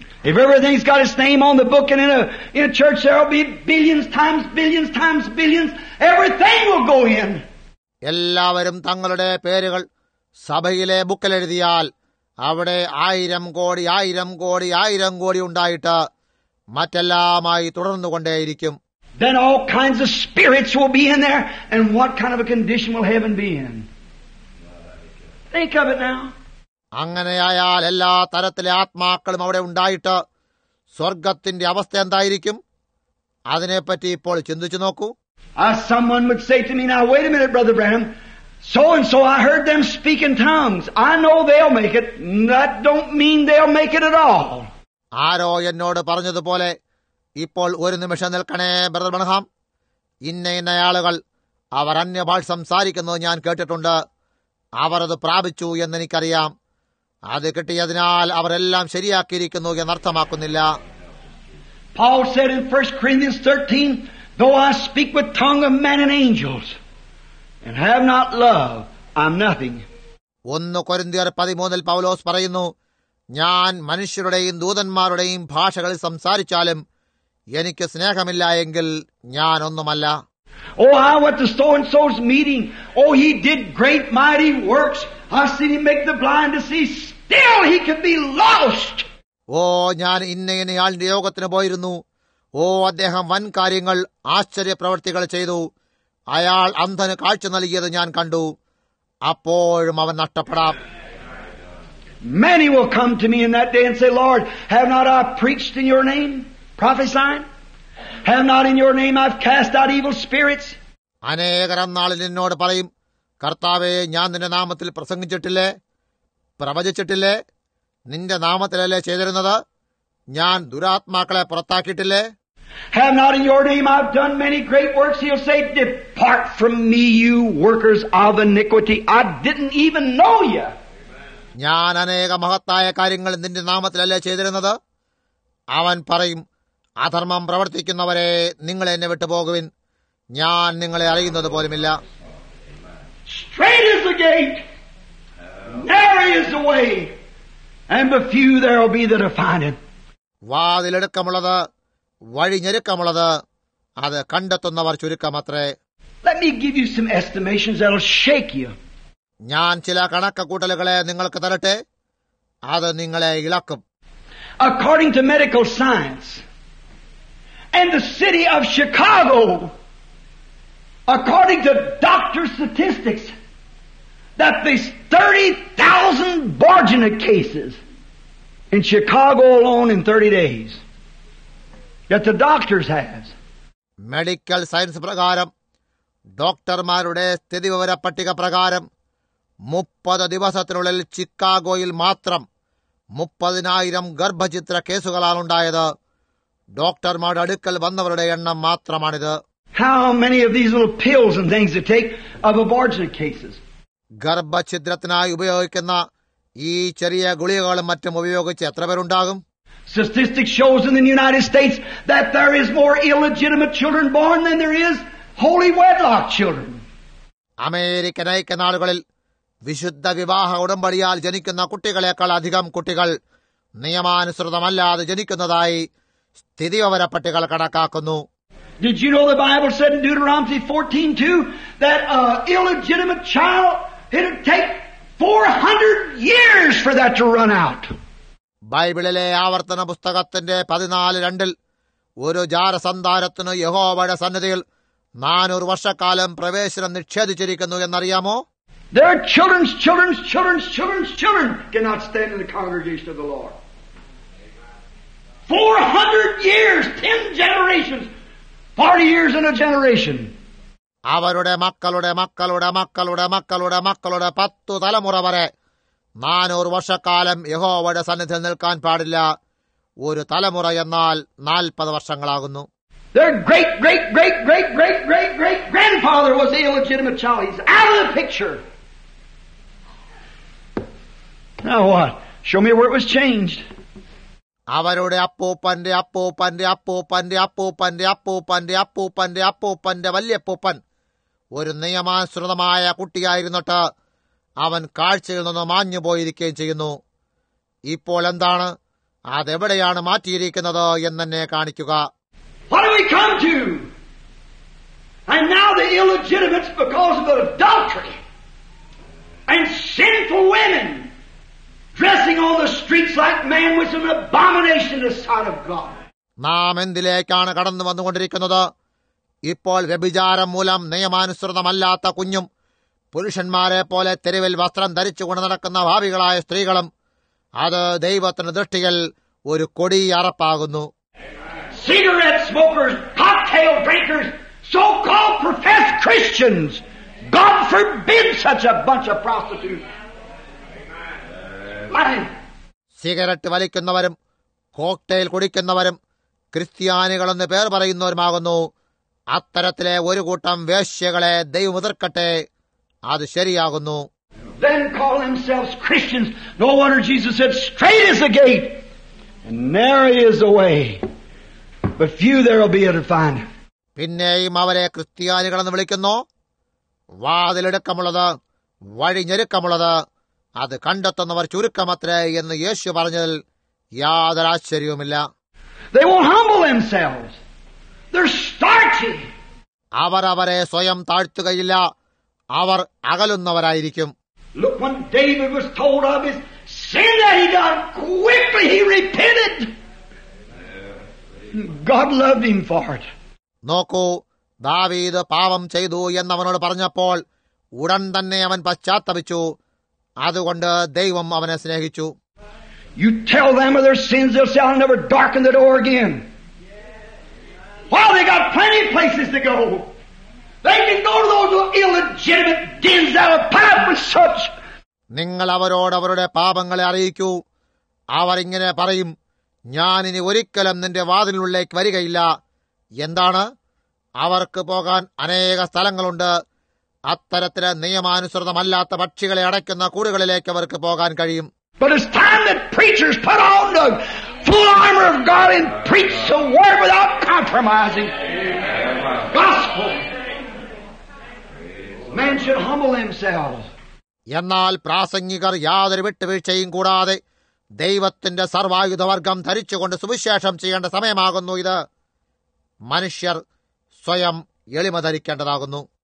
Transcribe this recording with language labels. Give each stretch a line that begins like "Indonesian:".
English: If everything's got its name on the book and in a church there will be billions times billions times billions, everything will go in.
Malayalam: എല്ലാവരും തങ്ങളുടെ പേരുകൾ സഭയിലെ ബുക്കിലെഴുതിയാൽ അവിടെ ആയിരം കോടി ആയിരം കോടി ആയിരം കോടി ഉണ്ടായിട്ട് മറ്റെല്ലാമായി തുടർന്നുകൊണ്ടേയിരിക്കും.
English: Then all kinds of spirits will be in there, and what kind of a condition will heaven be in? Think of it now.
Malayalam: അങ്ങനെയായാൽ എല്ലാ തരത്തിലെ ആത്മാക്കളും അവിടെ ഉണ്ടായിട്ട് സ്വർഗത്തിന്റെ അവസ്ഥ എന്തായിരിക്കും? അതിനെപ്പറ്റി ഇപ്പോൾ ചിന്തിച്ചു നോക്കൂ.
English: As someone would say to me, now wait a minute, Brother Branham, so and so, I heard them speak in tongues. I know they'll make it. That don't mean they'll make it at all.
Malayalam: ആരോ എന്നോട് പറഞ്ഞതുപോലെ ഇപ്പോൾ ഒരു നിമിഷം നിൽക്കണേ brother ബ്രാൻഹാം, ഇന്ന ഇന്ന ആളുകൾ അവർ അന്യഭാഷ സംസാരിക്കുന്നത് ഞാൻ കേട്ടിട്ടുണ്ട്. അവർ അത് പ്രാപിച്ചു എന്നെനിക്കറിയാം. അത് കിട്ടിയതിനാൽ അവരെല്ലാം ശരിയാക്കിയിരിക്കുന്നു എന്നർത്ഥമാക്കുന്നില്ല.
English: Paul said in 1 Corinthians 13, though I speak with tongue of men and angels and have not love, I'm nothing.
Malayalam: 1 കൊരിന്ത്യർ 13-ൽ പൗലോസ് പറയുന്നു, ഞാൻ മനുഷ്യരുടെയും ദൂതന്മാരുടെയും ഭാഷകളിൽ സംസാരിച്ചാലും എനിക്ക് സ്നേഹമില്ല എങ്കിൽ ഞാൻ ഒന്നുമല്ല.
English: Oh, I went to so-and-so's meeting. Oh, he did great mighty works. I seen him make the blind to see. Still, he could be lost.
Malayalam: ഓ, ഞാൻ ഇന്ന ആളുടെ യോഗത്തിന് പോയിരുന്നു. ഓ, അദ്ദേഹം വൻ കാര്യങ്ങൾ ആശ്ചര്യ പ്രവൃത്തികൾ ചെയ്തു. അയാൾ അന്ധന് കാഴ്ച നൽകിയത് ഞാൻ കണ്ടു. അപ്പോഴും അവൻ നഷ്ടപ്പെടാം.
English: Many will come to me in that day and say, Lord, have not I preached in your name, prophesied? Have not in your name I've cast out evil spirits?
Malayalam: അനേകർ അന്നാളിൽ എന്നോട് പറയും, കർത്താവേ, ഞാൻ നിന്റെ നാമത്തിൽ പ്രസംഗിച്ചിട്ടില്ലേ? പ്രവചിച്ചിട്ടില്ലേ? നിന്റെ നാമത്തിലല്ലേ ചെയ്തിരുന്നത്? ഞാൻ ദുരാത്മാക്കളെ പുറത്താക്കിയിട്ടില്ലേ?
English: Have not in your name I've done many great works? He'll say, depart from me, you workers of iniquity. I didn't even know you.
Malayalam: ഞാൻ അനേക മഹത്തായ കാര്യങ്ങൾ നിന്റെ നാമത്തിലല്ലേ ചെയ്തിരുന്നത്? അവൻ പറയും, അധർമ്മം പ്രവർത്തിക്കുന്നവരെ, നിങ്ങൾ എന്നെ വിട്ടുപോകുവിൻ, ഞാൻ നിങ്ങളെ അറിയുന്നത് പോലുമില്ല.
English: Straight is the gate, narrow is the way, and but few there will be that are find it.
Malayalam: വാതിലടുക്കമുള്ളത്, വഴി ഞെരുക്കമുള്ളത്, അത് കണ്ടെത്തുന്നവർ ചുരുക്കമത്രേ.
English: Let me give you some estimations that will shake you.
Malayalam: ഞാൻ ചില കണക്കുകൂട്ടലുകളെ നിങ്ങൾക്ക് തരട്ടെ, അത് നിങ്ങളെ ഇളക്കും.
English: According to medical science and the city of Chicago, according to doctor statistics, that there's 30,000 Borgina cases in Chicago alone in 30 days. That the doctors has.
Malayalam: Medical science prakaram, doctor marude sthithi vivara pattika prakaram, 30 divasathinullil Chicagoil matram 30,000 garbhachitra kesukalan undayathu. ഡോക്ടർമാരുടെ അടുക്കൽ വന്നവരുടെ എണ്ണം മാത്രമാണിത്.
English: How many of these little pills and things to take of abortion cases?
Malayalam: ഗർഭച്ഛിദ്രത്തിനായി ഉപയോഗിക്കുന്ന ഈ ചെറിയ ഗുളികകളും മറ്റും ഉപയോഗിച്ച് എത്ര പേരുണ്ടാകും?
English: Statistics shows in the United States that there is more illegitimate children born than there is holy wedlock children.
Malayalam: American ഐക്യനാടുകളിൽ വിശുദ്ധ വിവാഹ ഉടമ്പടിയാൽ ജനിക്കുന്ന കുട്ടികളെക്കാൾ അധികം കുട്ടികൾ നിയമാനുസൃതമല്ലാതെ ജനിക്കുന്നതായി സ്ഥിതി വിവര പട്ടികകൾ കണക്കാക്കുന്നു.
English: Did you know the Bible said in Deuteronomy 14:2 that a illegitimate child, it would take 400 years for that to run out?
Malayalam: ബൈബിളിലെ ആവർത്തന പുസ്തകത്തിന്റെ 14:2-ൽ ഒരു ജാരസന്താരത്തിന് യഹോവയുടെ സന്നിധിയിൽ 400 വർഷക്കാലം പ്രവേശനം നിഷേധിച്ചിരിക്കുന്നു എന്നറിയാമോ?
English: Their children's children's children's children's children cannot stand in the congregation of the Lord. 400 years, 10 generations, 40 years in a generation.
Malayalam: അവരുടെ മക്കളുടെ മക്കളുടെ മക്കളുടെ മക്കളുടെ മക്കളുടെ 10 തലമുറ വരെ 400 വർഷക്കാലം യഹോവയുടെ സന്നിധിയിൽ നിൽക്കാൻ പാടില്ല. ഒരു തലമുറ എന്നാൽ 40 വർഷങ്ങളാകുന്നു.
English: Their great great great great great great great grandfather was the illegitimate child. He's out of the picture. Now what? Show me where it was changed.
Malayalam: അവരുടെ അപ്പൂപ്പന്റെ അപ്പൂപ്പന്റെ അപ്പൂപ്പന്റെ അപ്പൂപ്പന്റെ അപ്പൂപ്പന്റെ അപ്പൂപ്പന്റെ അപ്പൂപ്പന്റെ വല്യപ്പൂപ്പൻ ഒരു നിയമാനുസൃതമായ കുട്ടിയായിരുന്നിട്ട് അവൻ കാഴ്ചയിൽ നിന്ന് മാഞ്ഞുപോയിരിക്കുകയും ചെയ്യുന്നു. ഇപ്പോൾ എന്താണ്, അതെവിടെയാണ് മാറ്റിയിരിക്കുന്നത് എന്നെ കാണിക്കുക.
English: What have we come to? And now the illegitimates, because of adultery and sinful women dressing on the streets like men, was an abomination to the sight of God.
Malayalam: നാം എന്തിലേക്കാണ് കടന്നു വന്നുകൊണ്ടിരിക്കുന്നത്? ഇപ്പോൾ വ്യഭിചാരം മൂലം നിയമാനുസൃതമല്ലാത്ത കുഞ്ഞും പുരുഷന്മാരെ പോലെ തെരുവിൽ വസ്ത്രം ധരിച്ചുകൊണ്ട് നടക്കുന്ന ഭാവികളായ സ്ത്രീകളും അത് ദൈവത്തിന്റെ ദൃഷ്ടിയിൽ ഒരു കൊടിയ അറപ്പാകുന്നു.
English: Cigarette smokers, cocktail drinkers, so called professed Christians, God forbid such a bunch of prostitutes.
Malayalam: Cigarette വലിക്കുന്നവരും cocktail കുടിക്കുന്നവരും ക്രിസ്ത്യാനികളെന്ന് പേർ പറയുന്നവരുമാകുന്നു. അത്തരത്തിലെ ഒരു കൂട്ടം വേശ്യകളെ ദൈവം എതിർക്കട്ടെ, അത് ശരിയാകുന്നു.
English: Then call themselves Christians. No wonder Jesus said, "Straight is the gate, and narrow is the way, but few there will be able to find."
Malayalam: പിന്നെയും അവരെ ക്രിസ്ത്യാനികളെന്ന് വിളിക്കുന്നു. വാതിലടുക്കമുള്ളത്, വഴി ഞെരുക്കമുള്ളത്, അത് കണ്ടെത്തുന്നവർ ചുരുക്കമത്രേ എന്ന് യേശു പറഞ്ഞതിൽ യാതൊരു ആശ്ചര്യവുമില്ല.
English: They won't humble themselves. They're starchy.
Malayalam: അവർ അവരെ സ്വയം താഴ്ത്തുകയില്ല, അവർ അകലുന്നവരായിരിക്കും.
English: Look when David was told of his sin that he done, quickly he repented. God loved him for it.
Malayalam: നോക്കൂ, ദാവീദ് പാപം ചെയ്തു എന്നവനോട് പറഞ്ഞപ്പോൾ ഉടൻ തന്നെ അവൻ പശ്ചാത്തപിച്ചു, അതുകൊണ്ട് ദൈവം അവനെ സ്നേഹിച്ചു.
English: You tell them of their sins, they'll say, "I'll never darken the door again." Well, they got plenty of places to go. They can go to those illegitimate dens that are piled with such.
Malayalam: നിങ്ങൾ അവരോട് അവരുടെ പാപങ്ങളെ അറിയിക്കൂ. അവർ ഇങ്ങനെ പറയും, ഞാൻ ഇനി ഒരിക്കലും നിന്റെ വാതിലുള്ളിലേക്ക് വരികയില്ല. എന്താണ്? അവർക്ക് പോകാൻ അനേക സ്ഥലങ്ങളുണ്ട്. അത്തരത്തിലെ നിയമാനുസൃതമല്ലാത്ത പക്ഷികളെ അടയ്ക്കുന്ന കൂടുകളിലേക്ക് അവർക്ക് പോകാൻ കഴിയും.
English: But it's time that preachers put on the full armor of God and preach the word without compromising. Amen. Gospel. Men should humble themselves.
Malayalam: എന്നാൽ പ്രാസംഗികർ യാതൊരു വിട്ടുവീഴ്ചയും കൂടാതെ ദൈവത്തിന്റെ സർവായുധവർഗം ധരിച്ചുകൊണ്ട് സുവിശേഷം ചെയ്യേണ്ട സമയമാകുന്നു ഇത്. മനുഷ്യർ സ്വയം എളിമ ധരിക്കേണ്ടതാകുന്നു.